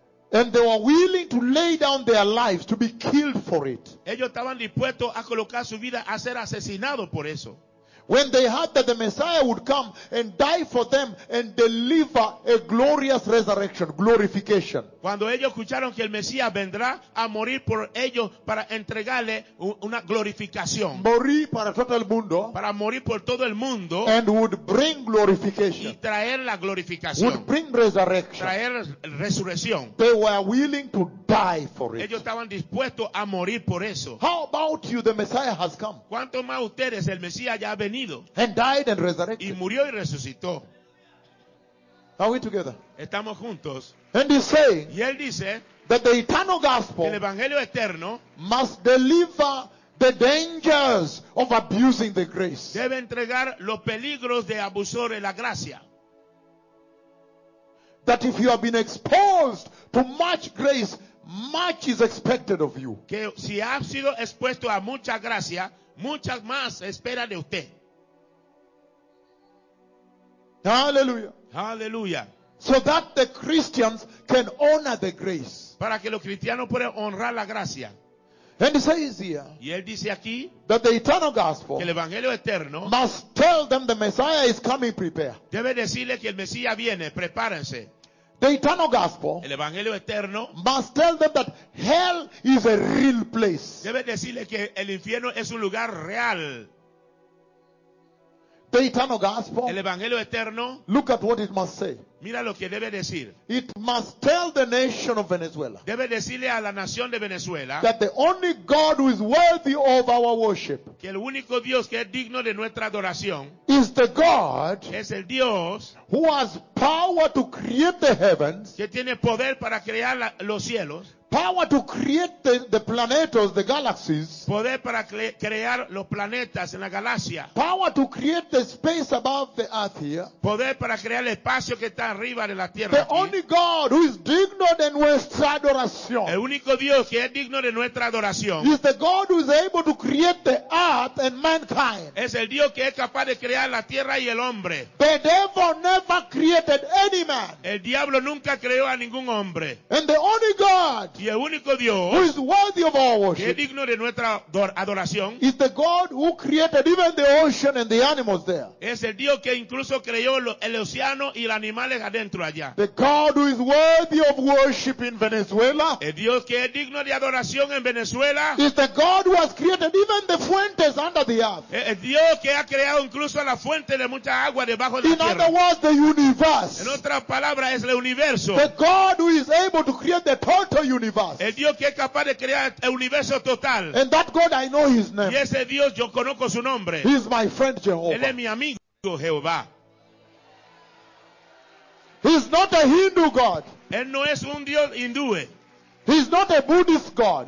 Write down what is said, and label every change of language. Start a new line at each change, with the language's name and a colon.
English: And they were willing to lay down their lives to be killed for it.
Spanish: Ellos estaban dispuestos a colocar su vida a ser asesinados por eso.
English: When they heard that the Messiah would come and die for them and deliver a glorious resurrection, glorification.
Spanish: Cuando ellos escucharon que el Mesías vendrá a morir por ellos para entregarle una glorificación. Morir para todo el mundo. Para morir por todo el mundo.
English: And would bring glorification.
Spanish: Y traer la glorificación.
English: Would bring resurrection.
Spanish: Traer resurrección.
English: They were willing to die for it.
Spanish: Ellos estaban dispuestos a morir por eso.
English: How about you? The Messiah has come.
Spanish: ¿Cuánto más ustedes? El Mesías ya venido.
English: And died and resurrected.
Spanish: Y murió y resucitó.
English: Are we together?
Spanish: Estamos juntos.
English: And he's saying,
Spanish: y él dice,
English: that the eternal gospel,
Spanish: el evangelio eterno,
English: must deliver the dangers of abusing the grace.
Spanish: Debe entregar los peligros de abusar de la gracia.
English: That if you have been exposed to much grace, much is expected of you.
Spanish: Que si has sido expuesto a mucha gracia, muchas más espera de usted.
English: Hallelujah.
Spanish: Hallelujah.
English: So that the Christians can honor the grace.
Spanish: Para que los cristianos puedan honrar la gracia.
English: And he says here.
Spanish: Y él dice aquí.
English: That the eternal gospel.
Spanish: Que el evangelio eterno.
English: Must tell them the Messiah is coming. Prepare.
Spanish: Debe decirle que el Mesías viene. Prepárense.
English: The eternal gospel.
Spanish: El evangelio eterno.
English: Must tell them that hell is a real place.
Spanish: Debe decirle que el infierno es un lugar real.
English: The eternal gospel.
Spanish: El evangelio eterno.
English: Look at what it must say.
Spanish: Mira lo que debe decir.
English: It must tell the nation of Venezuela.
Spanish: Debe decirle a la nación de Venezuela.
English: That the only God who is worthy of our worship.
Spanish: Que el único Dios que es digno de nuestra adoración.
English: Is the God.
Spanish: Es el Dios.
English: Who has power to create the heavens.
Spanish: Que tiene poder para crear los cielos.
English: Power to create the planets, the galaxies.
Spanish: Poder para crear los planetas en la galaxia.
English: Power to create the space above the earth here.
Spanish: Poder para crear el espacio que está arriba de la tierra.
English: The
Spanish: aquí.
English: Only God who is
Spanish: digno de nuestra adoración. El único Dios que es digno de nuestra adoración.
English: Is the God who is able to create the earth and mankind.
Spanish: Es el Dios que es capaz de crear la tierra y el hombre.
English: The devil never created any man.
Spanish: El diablo nunca creó a ningún hombre.
English: And the only God.
Spanish: Y el único Dios
English: who is worthy of our worship,
Spanish: que es digno de nuestra adoración,
English: is the God who created even the ocean and the animals there.
Spanish: Es el Dios que incluso creó el océano y los animales adentro allá.
English: The God who is worthy of worship in Venezuela,
Spanish: el Dios que es digno de adoración en Venezuela,
English: is the God who has created even the fuentes under the earth.
Spanish: El Dios que ha creado incluso la fuente de mucha agua debajo de la
English: in
Spanish: tierra.
English: In other words, the universe.
Spanish: En otras palabras, es el universo.
English: The God who is able to create the total. Universe.
Spanish: El Dios que es capaz de crear el universo total.
English: And that God, I know his name.
Spanish: Y ese Dios yo conozco su nombre.
English: He is my friend Jehovah.
Spanish: Él es mi amigo Jehová.
English: He is not a Hindu God.
Spanish: Él no es un Dios hindú.
English: He is not a Buddhist God.